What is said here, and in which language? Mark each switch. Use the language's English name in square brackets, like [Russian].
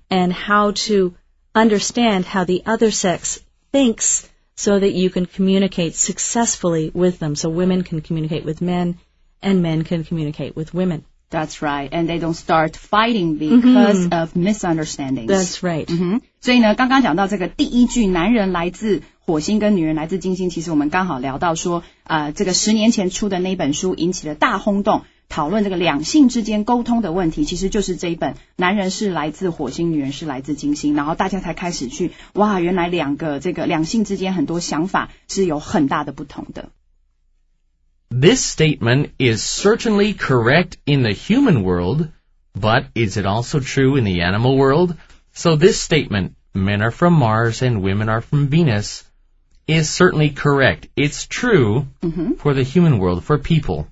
[English] and how to understand how the other sex thinks so that you can communicate successfully with them. So women can communicate with men and men can communicate with women. That's right. And they don't start fighting because、mm-hmm. of misunderstandings. That's right.、 Mm-hmm. [Chinese] 所以呢刚刚讲到这个第一句男人来自火星跟女人来自金星其实我们刚好聊到说、这个十年前出的那本书引起了大轰动。讨论这个两性之间沟通的问题其实就是这一本男人是来自火星女人是来自金星然后大家才开始去哇原来两个这个两性之间很多想法是有很大的不同的 [English] This statement is certainly correct in the human world but is it also true in the animal world? So this statement men are from Mars and women are from Venus is certainly correct it's true、 mm-hmm. for the human world for people、